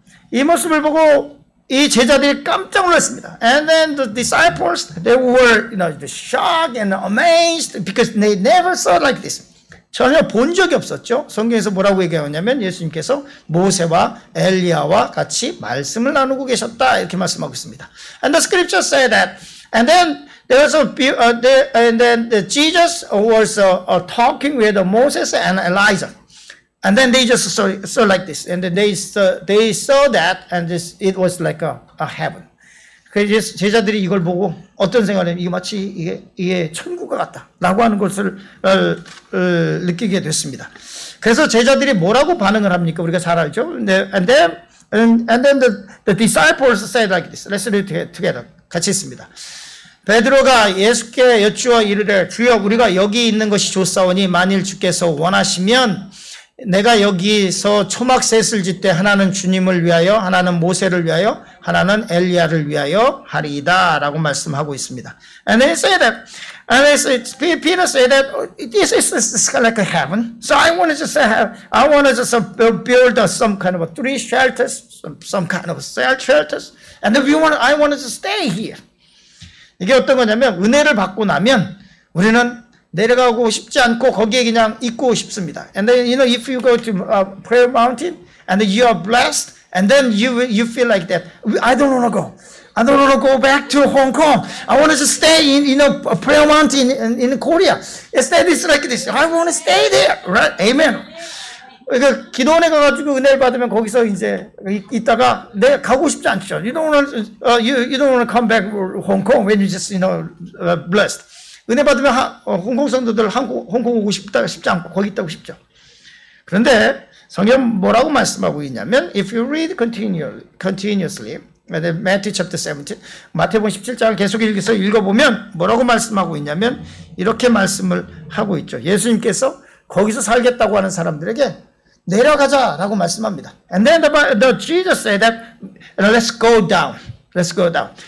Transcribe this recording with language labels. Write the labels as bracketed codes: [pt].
[ko] 이 모습을 보고 이 제자들이 깜짝 놀랐습니다. [en] And then the disciples, they were, you know, shocked and amazed because they never saw like this. [ko] 전혀 본 적이 없었죠. 성경에서 뭐라고 얘기하냐면 예수님께서 모세와 엘리야와 같이 말씀을 나누고 계셨다 이렇게 말씀하고 있습니다. [en] And the scripture say that. And then there was a Jesus was talking with Moses and Elijah. And then they just saw like this. And then they saw that and this it was like a heaven. [ko] 그래서 제자들이 이걸 보고 어떤 생각을 이게 마치 이게 천국과 같다라고 하는 것을 느끼게 됐습니다. 그래서 제자들이 뭐라고 반응을 합니까? 우리가 잘 알죠. [en] And then the disciples said like this. Let's read together [ko] 같이 있습니다. 베드로가 예수께 여쭈어 이르되 주여 우리가 여기 있는 것이 좋사오니 만일 주께서 원하시면 내가 여기서 초막 셋을 짓되 하나는 주님을 위하여 하나는 모세를 위하여 하나는 엘리야를 위하여 하리이다 라고 말씀하고 있습니다. [en] And they say that, and they say, Peter say that this is like a heaven. So I want to just build some kind of a three shelters, some kind of cell shelters, and if you want, I want to stay here. [ko] 이게 어떤 거냐면 은혜를 받고 나면 우리는 내려가고 싶지 않고 거기에 그냥 있고 싶습니다. [en] And then you know if you go to a prayer mountain and you are blessed and then you feel like that. I don't want to go back to Hong Kong. I want to stay in you know a prayer mountain in Korea. Instead it's like this. I want to stay there. Right? Amen. [ko] 그러니까 기도원에 가가지고 은혜를 받으면 거기서 이제 있다가 내 가고 싶지 않죠. [en] You don't want to come back to Hong Kong when you just you know blessed. [ko] 은혜 받으면 홍콩 성도들 홍콩 오고 싶다 싶지 않고 거기 있다고 싶죠. 그런데 성경 뭐라고 말씀하고 있냐면 [en] if you read continuously Matthew chapter 17 [ko] 마태복음 17장을 계속 읽어서 읽어 보면 뭐라고 말씀하고 있냐면 이렇게 말씀을 하고 있죠. 예수님께서 거기서 살겠다고 하는 사람들에게 내려가자라고 말씀합니다. [en] And then the Jesus said that let's go down. Let's go down.